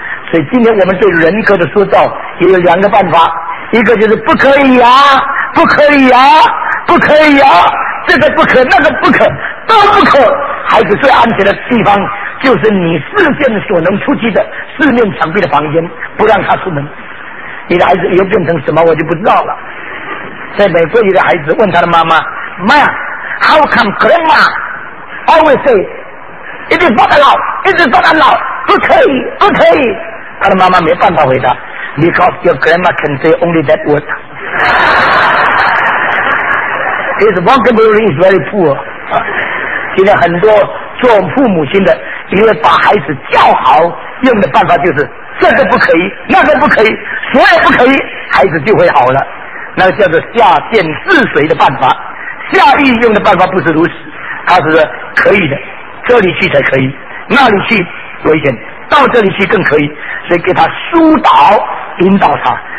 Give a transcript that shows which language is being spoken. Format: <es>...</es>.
<zh>所以今天我们对人格的塑造也有两个办法，一个就是不可以啊，不可以啊，不可以啊，这个不可，那个不可，都不可。孩子最安全的地方就是你视线所能触及的四面墙壁的房间，不让他出门。你的孩子又变成什么我就不知道了。在美国里的孩子问他的妈妈，</zh> <en>Mom, how come grandma always say it is not allowed, it is not allowed,</en> <zh>不可以不可以。他的妈妈没办法回答，</zh> <en>because your grandma can say only that word. His vocabulary is very poor.</en> <zh>现在很多做父母亲的，因为把孩子教好，用的办法就是这个不可以，那个不可以，所有不可以，孩子就会好了。那个叫做下贱治水的办法。下邑用的办法不是如此，他是说可以的，这里去才可以，那里去危险，到这里去更可以，所以给他疏导引导他。</zh>